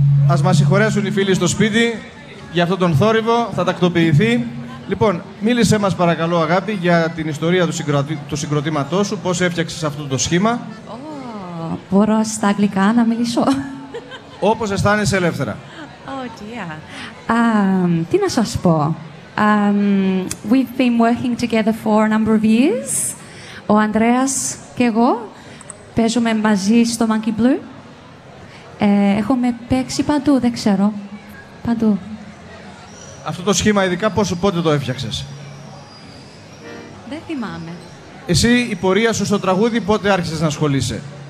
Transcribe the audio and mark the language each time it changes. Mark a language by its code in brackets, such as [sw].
[el] Ας μας συγχωρέσουν οι φίλοι στο σπίτι για αυτόν τον θόρυβο, θα τακτοποιηθεί. Λοιπόν, μίλησε μας παρακαλώ, Αγάπη, για την ιστορία του συγκροτήματός σου, πώς έφτιαξες αυτό το σχήμα. Μπορώ στα αγγλικά να μιλήσω. Όπως αισθάνεσαι ελεύθερα. Τι να σας πω. [en] We've been working together for a number of years. [el] Ο Ανδρέας και εγώ παίζουμε μαζί στο Monkey Blue. Έχουμε παίξει παντού, δεν ξέρω. Παντού. Αυτό το σχήμα ειδικά πόσο πότε το έφτιαξες? Δεν θυμάμαι. Εσύ η πορεία σου στο τραγούδι πότε άρχισες να ασχολείσαι?